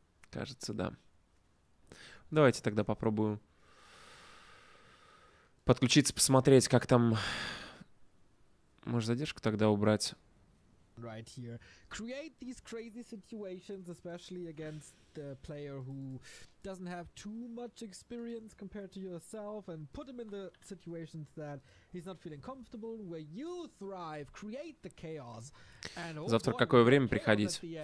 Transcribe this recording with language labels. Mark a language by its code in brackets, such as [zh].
[ru] Кажется, да. Давайте тогда попробую подключиться, посмотреть, как там... Может, задержку тогда убрать? [en] Right here. Create these crazy situations, especially against the player who doesn't have too much experience compared to yourself, and put him in the situations that he's not feeling comfortable, where you thrive, create the chaos. [ru] And завтра какое время приходить?